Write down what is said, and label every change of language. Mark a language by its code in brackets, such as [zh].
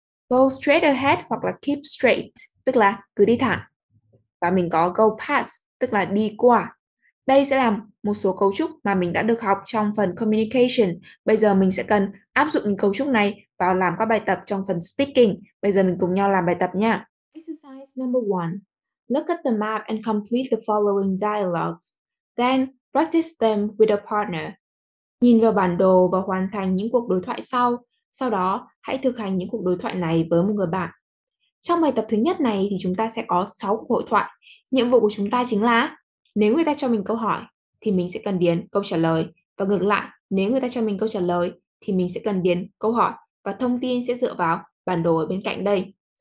[en] Go straight ahead [vi] hoặc là [en] keep straight. [vi] Tức là cứ đi thẳng. Và mình có [en] go past, [vi] tức là đi qua. Đây sẽ là một số cấu trúc mà mình đã được học trong phần communication. Bây giờ mình sẽ cần áp dụng những cấu trúc này vào làm các bài tập trong phần speaking. Bây giờ mình cùng nhau làm bài tập nha. [en] Exercise number one. Look at the map and complete the following dialogues. Then practice them with a partner. [vi] Nhìn vào bản đồ và hoàn thành những cuộc đối thoại sau. Sau đó, hãy thực hành những cuộc đối thoại này với một người bạn. Trong bài tập thứ nhất này thì chúng ta sẽ có 6 cuộc hội thoại. Nhiệm vụ của chúng ta chính là nếu người ta cho mình câu hỏi thì mình sẽ cần điền câu trả lời, và ngược lại, nếu người ta cho mình câu trả lời thì mình sẽ cần điền câu hỏi, và thông tin sẽ dựa vào bản đồ ở bên cạnh đây.